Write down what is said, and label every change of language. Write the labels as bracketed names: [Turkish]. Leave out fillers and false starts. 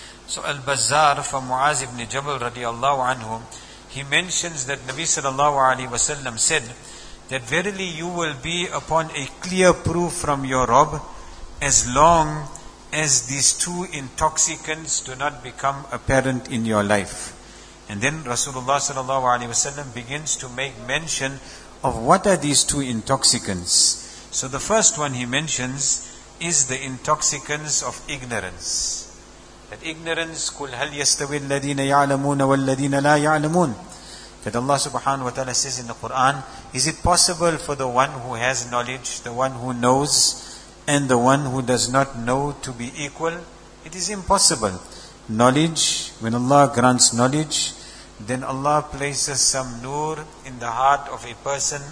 [English] So Al-Bazzar from Mu'az ibn Jabal radiallahu anhu, he mentions that Nabi sallallahu alaihi wasallam said that verily you will be upon a clear proof from your Rabb as long as these two intoxicants do not become apparent in your life. And then Rasulullah sallallahu alaihi wasallam begins to make mention of what are these two intoxicants. So the first one he mentions is the intoxicants of ignorance. That ignorance, [Arabic] قُلْ هَلْ يَسْتَوِي الَّذِينَ يَعْلَمُونَ وَالَّذِينَ لَا يَعْلَمُونَ. [English] That Allah subhanahu wa ta'ala says in the Quran, is it possible for the one who has knowledge, the one who knows, and the one who does not know to be equal? It is impossible. Knowledge, when Allah grants knowledge, then Allah places some nur in the heart of a person.